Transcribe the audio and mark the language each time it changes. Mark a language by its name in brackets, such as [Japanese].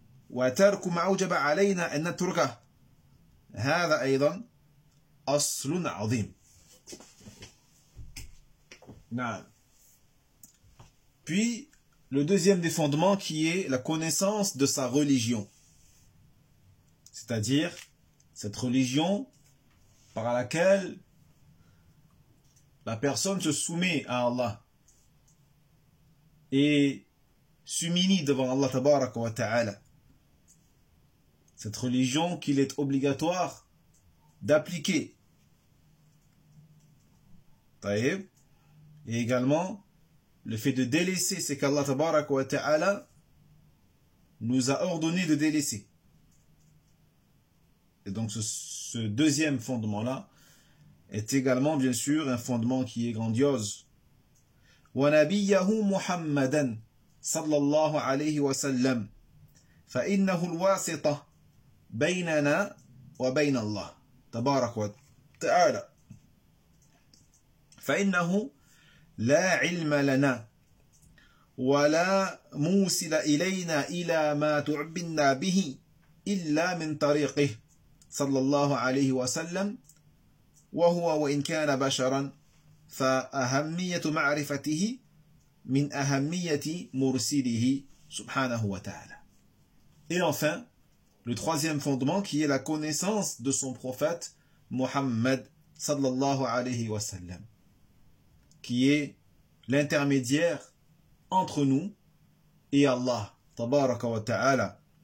[Arabic] وترك ما أوجب علينا أن نتركه هذا أيضا أصل عظيم. نعم. [French] Puis le deuxième des fondements qui est la connaissance de sa religion, c'est-à-dire cette religion par laquelle la personne se soumet à Allah et s'humilie devant Allah tabarak wa ta'ala. Cette religion qu'il est obligatoire d'appliquer. Taïb. Et également, le fait de délaisser ce qu'Allah tabarak wa ta'ala nous a ordonné de délaisser. Et donc, ce deuxième fondement-là est également, bien sûr, un fondement qui est grandiose. [Arabic] Wa nabiyahu Muhammadan sallallahu alayhi wa sallam fa innahu al-wasita بيننا وبين الله تبارك وتعالى فإنه لا علم لنا ولا موصل إلينا إلى ما تعبدنا به إلا من طريقه صلى الله عليه وسلم وهو وإن كان بشرا فأهمية معرفته من أهمية مرسله سبحانه وتعالى. [French] Et enfin, le troisième fondement qui est la connaissance de son prophète Muhammad sallallahu alayhi wa sallam, qui est l'intermédiaire entre nous et Allah tabaraka wa ta'ala.